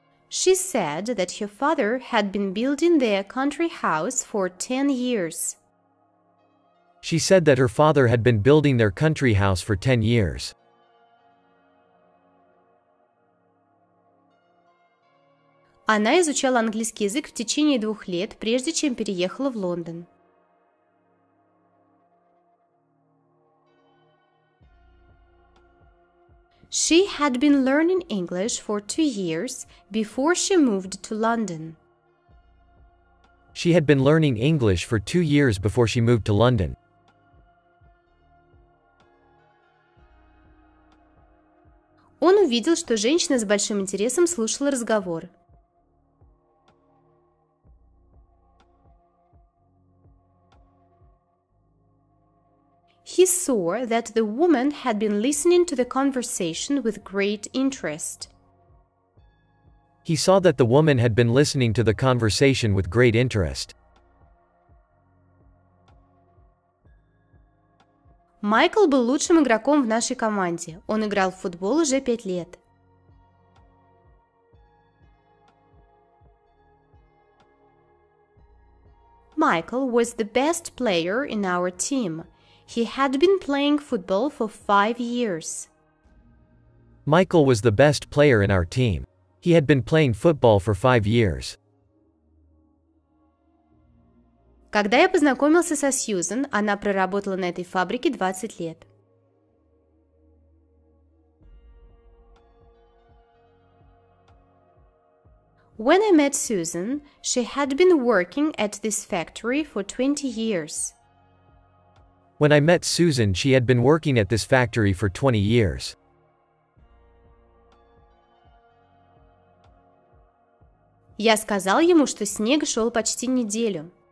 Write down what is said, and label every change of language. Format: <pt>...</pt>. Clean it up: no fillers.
<en>She said that her father had been building their country house for 10 years. She said that her father had been building their country house for 10 years.</en> <ru>Она изучала английский язык в течение 2 лет, прежде чем переехала в Лондон.</ru> <en>She had been learning English for 2 years before she moved to London. She had been learning English for 2 years before she moved to London.</en> <ru>Он увидел, что женщина с большим интересом слушала разговор.</ru> <en>He saw that the woman had been listening to the conversation with great interest. He saw that the woman had been listening to the conversation with great interest.</en> <ru>Майкл был лучшим игроком в нашей команде. Он играл в футбол уже 5 лет.</ru> <en>Майкл was the best player in our team. He had been playing football for 5 years. Майкл was the best player in our team. He had been playing football for 5 years.</en> <ru>Когда я познакомился со Сьюзен, она проработала на этой фабрике 20 лет.</ru> <en>When I met Susan, she had been working at this factory for 20 years. When I met Susan, she had been working at this factory for 20 years.</en> <ru>Я сказал ему, что снег шел почти неделю.</ru>